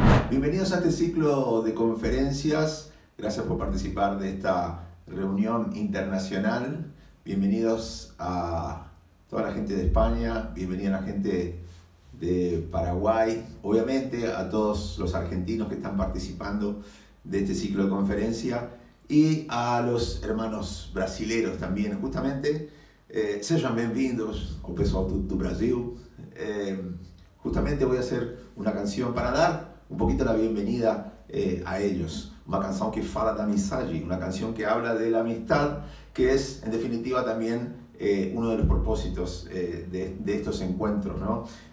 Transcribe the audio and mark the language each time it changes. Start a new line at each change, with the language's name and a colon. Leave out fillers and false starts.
Spanish: Bienvenidos a este ciclo de conferencias. Gracias por participar de esta reunión internacional. Bienvenidos a toda la gente de España, bienvenida a la gente de Paraguay, obviamente a todos los argentinos que están participando de este ciclo de conferencia y a los hermanos brasileros también.
Portuguese: Justamente, sejam bem-vindos, o pessoal do Brasil.
Spanish: Justamente voy a hacer una canción para dar un poquito la bienvenida a ellos, una canción que
Portuguese: fala da amizade,
Spanish: una canción que habla de la amistad, que es en definitiva también uno de los propósitos de estos encuentros, ¿no?